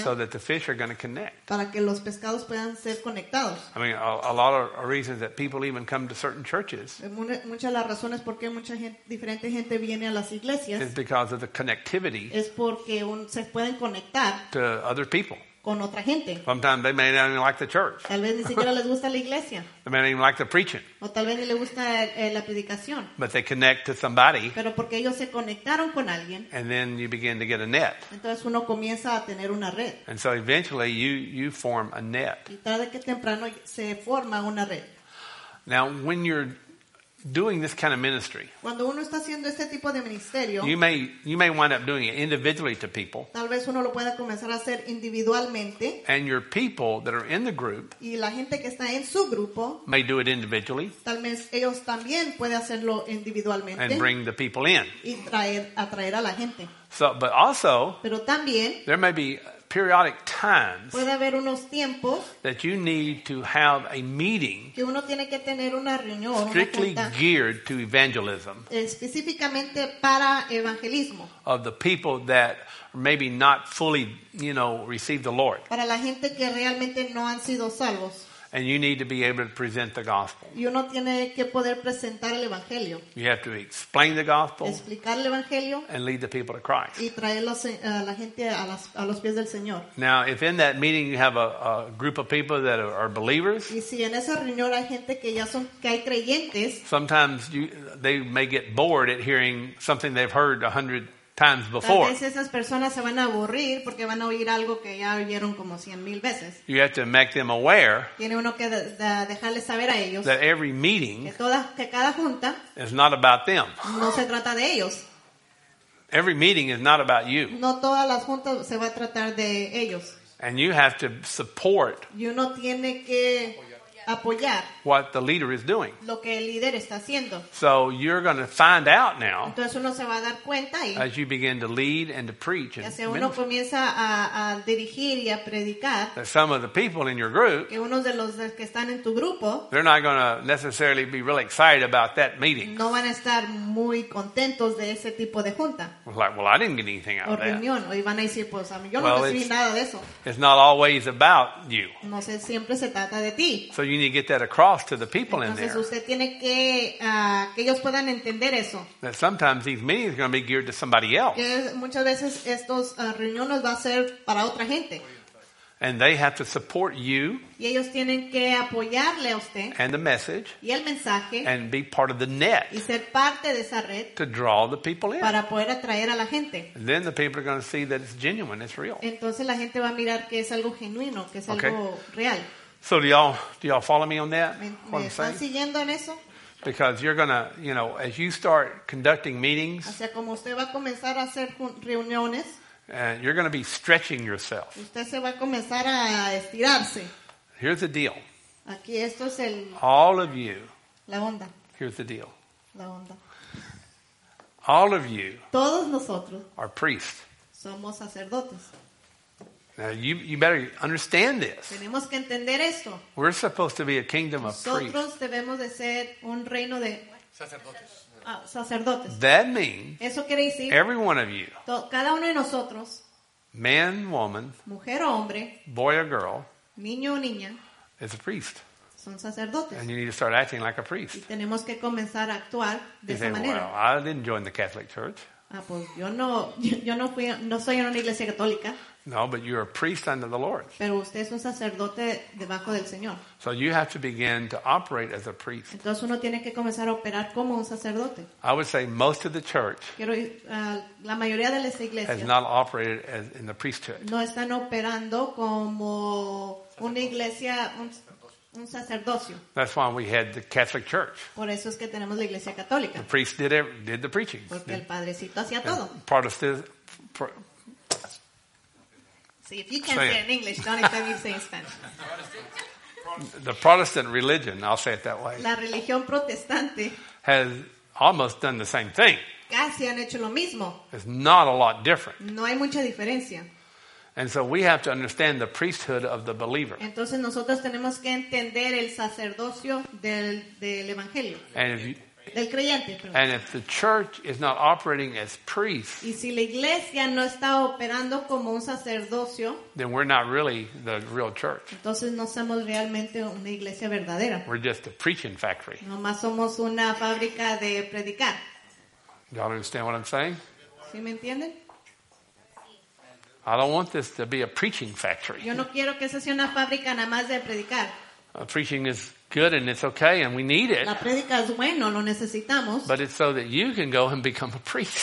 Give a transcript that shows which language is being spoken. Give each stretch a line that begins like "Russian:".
English: So that the fish are going to connect.
Spanish: Para que los pescados puedan ser conectados.
English: I mean, a lot of reasons that people even come to certain churches.
Spanish: Muchas de las razones por qué mucha gente, diferente gente viene a las iglesias.
English: Is because of the connectivity.
Spanish: Es porque se pueden conectar.
English: To other people.
Spanish: Con otra gente.
English: Sometimes they may not even like the church.
Spanish: Tal vez ni siquiera les gusta la iglesia.
English: They may not even like the preaching.
Spanish: O tal vez ni le gusta la predicación.
English: But they connect to somebody.
Spanish: Pero porque ellos se conectaron con alguien.
English: And then you begin to get a net.
Spanish: Entonces uno comienza a tener una red.
English: And so eventually you form a net.
Spanish: Y tarde que temprano se forma una red.
English: Now when you're doing this kind of ministry.
Spanish: Cuando uno está haciendo este tipo de ministerio,
English: you may wind up doing it individually to people.
Spanish: Tal vez uno lo pueda comenzar a hacer individualmente.
English: And your people that are in the group.
Spanish: Y la gente que está en su grupo.
English: May do it individually.
Spanish: Tal vez ellos también pueden hacerlo individualmente.
English: And bring the people in.
Spanish: Y atraer a la gente.
English: So, but also.
Spanish: Pero también.
English: There may be periodic times.
Spanish: Puede haber unos tiempos
English: that you need to have a meeting.
Spanish: Que uno tiene que tener una reunión,
English: strictly
Spanish: una junta
English: geared to evangelism.
Spanish: Específicamente para evangelismo.
English: Of the people that maybe not fully, you know, received the Lord.
Spanish: Para la gente que realmente no han sido salvos.
English: And you need to be able to present the gospel.
Spanish: Y uno tiene que poder presentar el evangelio.
English: You have to explain the gospel.
Spanish: Explicar el evangelio.
English: And lead the people to Christ.
Spanish: Y traer la gente a los pies del Señor.
English: Now, if in that meeting you have a group of people that are believers.
Spanish: Y si en esa reunión hay gente que ya son que hay creyentes.
English: Sometimes they may get bored at hearing something they've heard 100 times before.
Spanish: Tal vez esas personas se van a aburrir porque van a oír algo que ya oyeron como 100,000 veces.
English: You have to make them aware.
Spanish: Tiene uno que dejarles saber a ellos.
English: That every meeting.
Spanish: Que cada junta.
English: Is not about them.
Spanish: No se trata de ellos.
English: Every meeting is not about you.
Spanish: No todas las juntas se va a tratar de ellos.
English: And you have to support.
Spanish: Y uno tiene que apoyar
English: what the leader is doing.
Spanish: Lo que el líder está haciendo.
English: So you're going to find out now.
Spanish: Entonces uno se va a dar cuenta ahí.
English: As you begin to lead and to preach.
Spanish: Ya sea uno comienza a dirigir y a predicar.
English: That some of the people in your group.
Spanish: Que unos de los que están en tu grupo.
English: They're not going to necessarily be really excited about that meeting.
Spanish: No van a estar muy contentos de ese tipo de junta.
English: Like, well, I didn't get anything out of that.
Spanish: O reunión. O van a decir, pues, a mí yo no recibí nada de eso.
English: It's not always about you.
Spanish: No sé, siempre se trata de ti.
English: So you need to get that across to the people.
Spanish: Entonces,
English: in there.
Spanish: Usted tiene que ellos puedan entender eso.
English: That sometimes these meetings are going to be geared to somebody else.
Spanish: Muchas veces estos reuniones va a ser para otra gente.
English: And they have to support you.
Spanish: Y ellos tienen que apoyarle a usted.
English: And the message.
Spanish: Y el mensaje.
English: And be part of the net.
Spanish: Y ser parte de esa red.
English: To draw the people in.
Spanish: Para poder atraer a la gente.
English: And then the people are going to see that it's genuine, it's real.
Spanish: Entonces la gente va a mirar que es algo genuino, que es
English: okay.
Spanish: algo real.
English: So do y'all follow me on that?
Spanish: ¿Me están siguiendo en eso?
English: Because you're gonna, you know, as you start conducting meetings.
Spanish: O sea, como usted va a comenzar a hacer reuniones.
English: And you're going to be stretching yourself.
Spanish: Usted se va a comenzar a estirarse.
English: Here's the deal.
Spanish: Aquí esto es el.
English: All of you.
Spanish: La onda.
English: Here's the deal.
Spanish: La onda.
English: All of you.
Spanish: Todos nosotros.
English: Are priests.
Spanish: Somos sacerdotes.
English: Now you better understand this.
Spanish: Tenemos que entender esto.
English: We're supposed to be a kingdom
Spanish: nosotros
English: of priests.
Spanish: Nosotros debemos de ser un reino de sacerdotes. Sacerdotes.
English: That means
Spanish: eso quiere decir,
English: every one of you,
Spanish: cada uno de nosotros,
English: man, woman,
Spanish: mujer o hombre,
English: boy or girl,
Spanish: niño o niña,
English: is a priest.
Spanish: Son sacerdotes.
English: And you need to start acting like a priest.
Spanish: Y tenemos que comenzar a actuar de
English: you
Spanish: esa
English: say,
Spanish: manera.
English: Well, I didn't join the Catholic Church.
Spanish: Ah, pues yo no soy en una iglesia católica.
English: No, but you're a priest under the Lord.
Spanish: Pero usted es un sacerdote debajo del Señor.
English: So you have to begin to operate as a priest.
Spanish: Entonces uno tiene que comenzar a operar como un sacerdote.
English: I would say most of the church.
Spanish: Quiero la mayoría de las iglesias.
English: Has not operated as in the priesthood.
Spanish: No están operando como una iglesia un sacerdocio.
English: That's why we had the Catholic Church.
Spanish: Por eso es que tenemos la Iglesia Católica.
English: The priest did the preaching.
Spanish: Porque el padrecito hacía todo.
English: Protestant. If you can't say it in English, don't expect me to say it in Spanish. The Protestant religion, I'll say it that way.
Spanish: La religión protestante
English: has almost done the same thing.
Spanish: Casi han hecho lo mismo.
English: It's not a lot different.
Spanish: No hay mucha diferencia.
English: And so we have to understand the priesthood of the believer.
Spanish: Entonces nosotros tenemos que entender el sacerdocio del evangelio. Del creyente, perdón.
English: And if the church is not operating as priests,
Spanish: y si la iglesia no está operando como un sacerdocio,
English: then we're not really the real church.
Spanish: Entonces no somos realmente una iglesia verdadera.
English: We're just a preaching factory.
Spanish: Nomás somos una fábrica de predicar.
English: Y'all understand what I'm saying?
Spanish: ¿Sí me entienden?
English: I don't want this to be a preaching factory.
Spanish: Yo no quiero que esa sea una fábrica nada más de predicar.
English: A preaching is good and it's okay and we need it.
Spanish: La prédica es bueno, lo necesitamos.
English: But it's so that you can go and become a priest.